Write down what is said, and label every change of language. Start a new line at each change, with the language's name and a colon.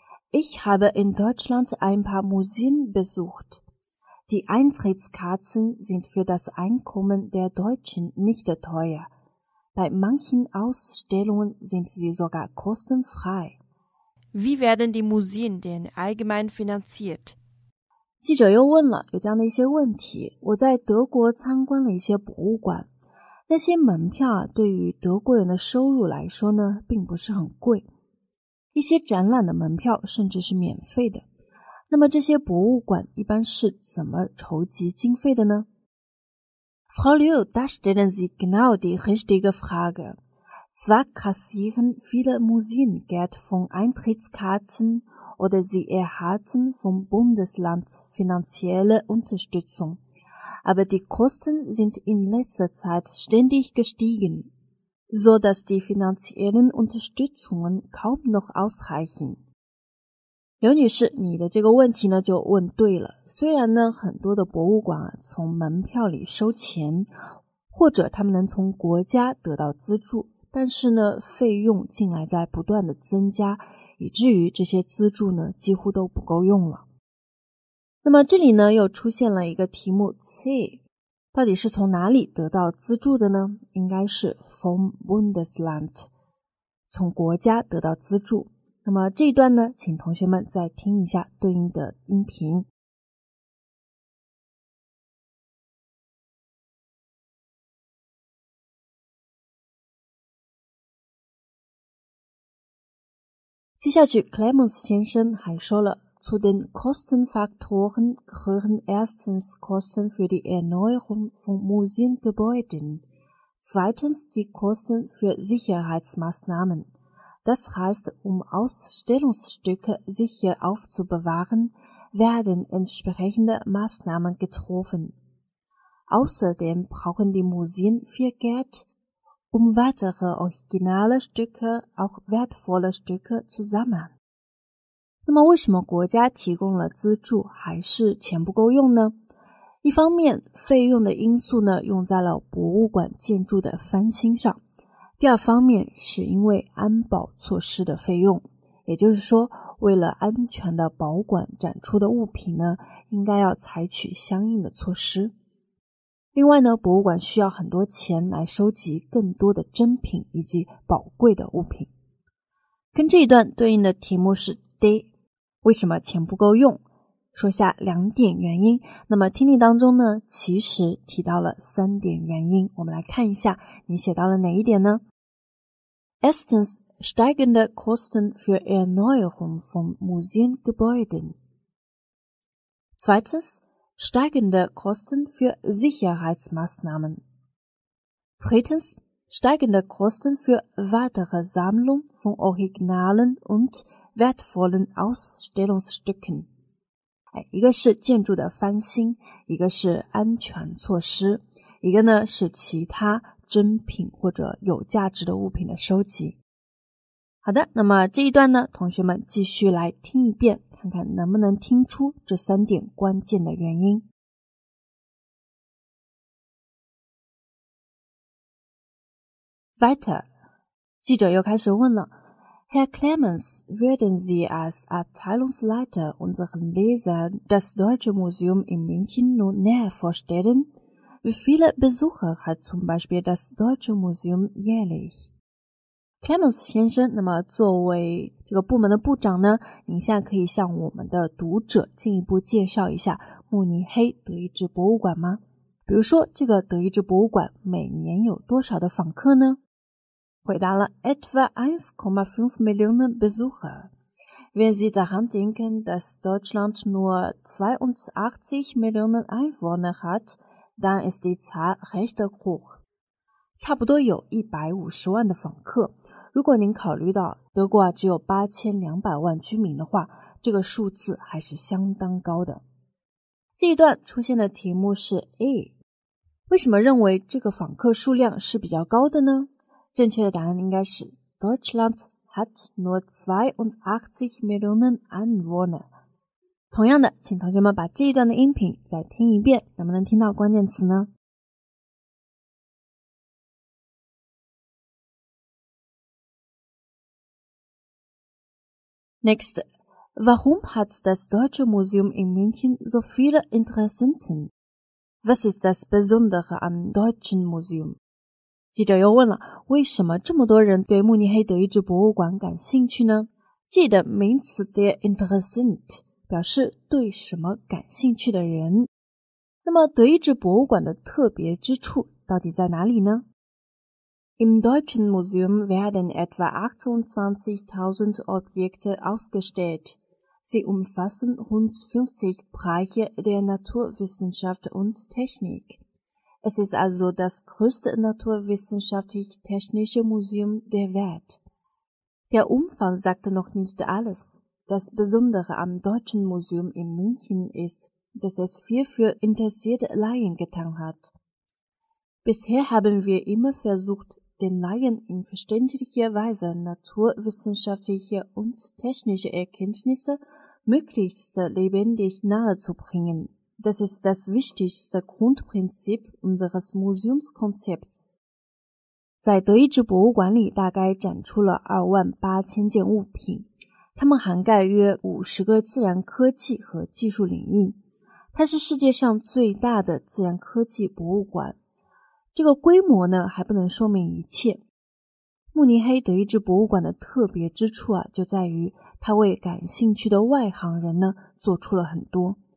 German: Ich habe in Deutschland ein paar Museen besucht. Die Eintrittskarten sind für das Einkommen der Deutschen nicht teuer. Bei manchen Ausstellungen sind sie sogar kostenfrei. Wie werden die Museen denn allgemein finanziert?
Chinese: 记者又问了，有这样的一些问题。我在德国参观了一些博物馆，那些门票啊，对于德国人的收入来说呢，并不是很贵。一些展览的门票甚至是免费的，那么这些博物馆一般是怎么筹集经费的呢？
German: Frau Liu, da stellen Sie genau die richtige Frage. Zwar kassieren viele Museen Geld von Eintrittskarten oder sie erhalten vom Bundesland finanzielle Unterstützung, aber die Kosten sind in letzter Zeit ständig gestiegen. So dass die finanziellen Unterstützungen kaum noch ausreichen.
Chinese: 刘女士，你的这个问题呢就问对了。虽然呢很多的博物馆啊从门票里收钱，或者他们能从国家得到资助，但是呢费用近来在不断的增加，以至于这些资助呢几乎都不够用了。那么这里呢又出现了一个题目 C。到底是从哪里得到资助的呢？应该是
German: vom Bundesland，
Chinese: 从国家得到资助。那么这一段呢，请同学们再听一下对应的音频。接下去 ，Clemens 先生还说了。
German: Zu den Kostenfaktoren gehören erstens Kosten für die Erneuerung von Museengebäuden, zweitens die Kosten für Sicherheitsmaßnahmen. Das heißt, um Ausstellungsstücke sicher aufzubewahren, werden entsprechende Maßnahmen getroffen. Außerdem brauchen die Museen viel Geld, um weitere originale Stücke, auch wertvolle Stücke zu sammeln.
Chinese: 那么为什么国家提供了资助还是钱不够用呢？一方面费用的因素呢用在了博物馆建筑的翻新上，第二方面是因为安保措施的费用，也就是说为了安全的保管展出的物品呢应该要采取相应的措施。另外呢博物馆需要很多钱来收集更多的珍品以及宝贵的物品。跟这一段对应的题目是D， 为什么钱不够用？说下两点原因。那么听力当中呢，其实提到了三点原因。我们来看一下，你写到了哪一点呢
German: ？Erstens, steigende Kosten für Erneuerung von Museengebäuden. Zweitens, steigende Kosten für Sicherheitsmaßnahmen. Drittens, steigende Kosten für weitere Sammlung von Originalen undwertvollen Ausstellungsstücken.
Chinese: 一个是建筑的翻新，一个是安全措施，一个呢是其他珍品或者有价值的物品的收集。好的，那么这一段呢，同学们继续来听一遍，看看能不能听出这三点关键的原因。
German: Weiter，
Chinese: 记者又开始问了。
German: Herr Clemens, würden Sie als Abteilungsleiter unseren Lesern das Deutsche Museum in München nun näher vorstellen? Wie viele Besucher hat zum Beispiel das Deutsche Museum jährlich?
Chinese: Clemens 先生，那么作为这个部门的部长呢，您现在可以向我们的读者进一步介绍一下慕尼黑德意志博物馆吗？比如说，这个德意志博物馆每年有多少的访客呢？回答了
German: etwa 1,5 Millionen Besucher。 Wenn Sie daran denken, dass Deutschland nur 82 Millionen Einwohner hat, dann ist die Zahl recht hoch.
Chinese: 差不多有150万的访客。如果您考虑到德国只有8200万居民的话，这个数字还是相当高的。这一段出现的题目是 A。为什么认为这个访客数量是比较高的呢？正确的答案应该是
German: Deutschland hat nur 82 Millionen Einwohner。
Chinese: 同样的，请同学们把这一段的音频再听一遍，能不能听到关键词呢？
English: Next,
German: warum hat das Deutsche Museum in München so viele Interessenten? Was ist das Besondere am Deutschen Museum?
Chinese: 记者又问了，为什么这么多人对慕尼黑德意志博物馆感兴趣呢？记得名词 der Interessent 表示对什么感兴趣的人。那么德意志博物馆的特别之处到底在哪里呢？
German: Im Deutschen Museum werden etwa 28.000 Objekte ausgestellt. Sie umfassen rund 50 Bereiche der Naturwissenschaft und Technik. Es ist also das größte naturwissenschaftlich-technische Museum der Welt. Der Umfang sagt noch nicht alles. Das Besondere am Deutschen Museum in München ist, dass es viel für interessierte Laien getan hat. Bisher haben wir immer versucht,den Laien in verständlicher Weise naturwissenschaftliche und technische Erkenntnisse möglichst lebendig nahezubringen. Das ist das wichtigste Grundprinzip unseres Museumskonzepts.
Chinese: 在德意志博物馆里大概展出了28000件物品，它们涵盖约50个自然科技和技术领域。它是世界上最大的自然科技博物馆。这个规模呢还不能说明一切。慕尼黑德意志博物馆的特别之处啊，就在于它为感兴趣的外行人呢做出了很多。